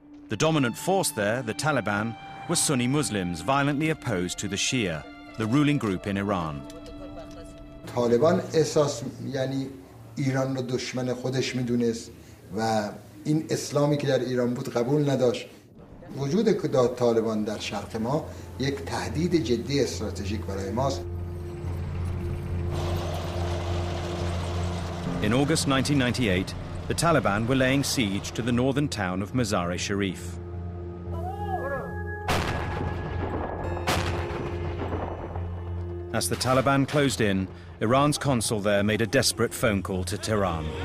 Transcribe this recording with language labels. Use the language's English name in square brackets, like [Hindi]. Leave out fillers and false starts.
[English] The dominant force there, the Taliban, was Sunni Muslims violently opposed to the Shia, the ruling group in Iran. [Persian] Taliban احساس یعنی ایران رو دشمن خودش میدونست و این اسلامی که در ایران بود قبول نداشت. وجود Taliban در شرق ما یک تهدید جدی استراتژیک برای ماست. [English] In August 1998, the Taliban were laying siege to the northern town of Mazar-e-Sharif. As the Taliban closed in, Iran's consul there made a desperate phone call to Tehran.